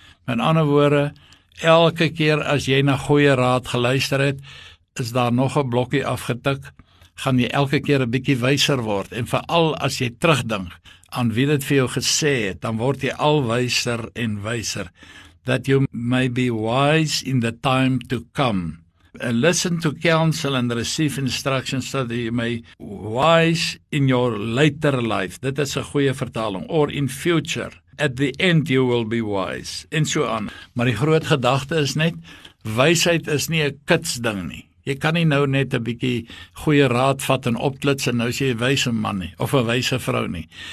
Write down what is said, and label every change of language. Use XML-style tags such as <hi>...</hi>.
<af>Met ander woorde, elke keer as jy na goeie raad geluister het, is daar nog 'n blokkie afgetik, gaan jy elke keer 'n bietjie wyser word, en veral as jy terugdink aan wie dit vir jou gesê het, dan word jy al wyser en wyser,</af> <en>that you may be wise in the time to come. Listen to counsel and receive instructions, that you may wise in your later life.</en> <af>Dit is 'n goeie vertaling.</af> <en>Or in future, at the end you will be wise,</en> <af>en so aan. Maar die groot gedagte is net, wysheid is nie 'n kitsding nie. Jy kan nie nou net 'n bietjie goeie raad vat en opklits en nou is jy 'n wyse man nie, of 'n wyse vrou nie.</af>